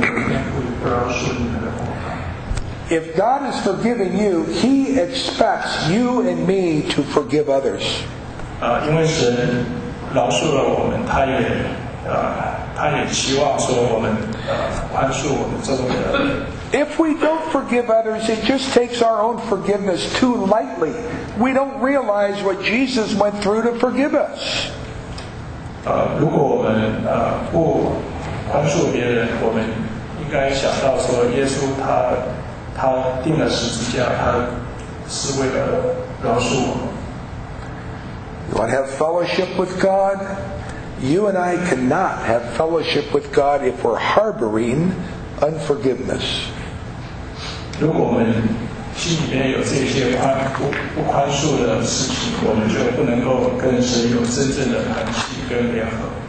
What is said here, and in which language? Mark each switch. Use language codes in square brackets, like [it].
[zh] 这是从主导文来，就怜悯我们的债，如同我们怜人的债，不叫我们脱离凶恶。你们饶恕人的过犯，你们天父也必饶恕你们的过犯；你们不饶恕人的过犯，天父也不饶恕你们的过犯。 [en] If God is forgiving you, He expects you and me to forgive others. [zh] 因为神饶恕了我们，他也希望说我们宽恕我们周围的。 [en] If we don't forgive others, it just takes our own forgiveness too lightly. We don't realize what Jesus went through to forgive us. [zh] 如果我们不宽恕别人，我们应该想到说，耶稣他定了十字架，他是为了饶恕我们。 [en] You want to have fellowship with God? You and I cannot have fellowship with God if we're harboring unforgiveness. [zh] 如果我们心里面有这些不宽恕的事情，我们就不能够跟神有真正的团契跟联合。